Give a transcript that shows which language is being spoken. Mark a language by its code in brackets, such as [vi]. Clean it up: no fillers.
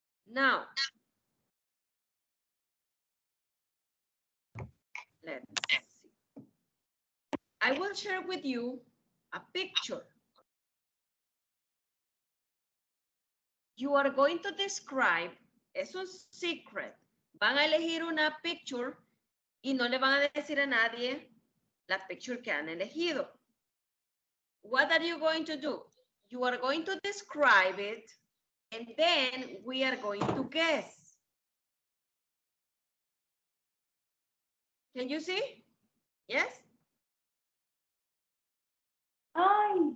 [en] Now, let's see. I will share with you a picture. You are going to describe, it's a secret, [es] van a elegir una picture y no le van a decir a nadie la picture que han elegido. [en] What are you going to do? You are going to describe it and then we are going to guess. Can you see? Yes? Hi.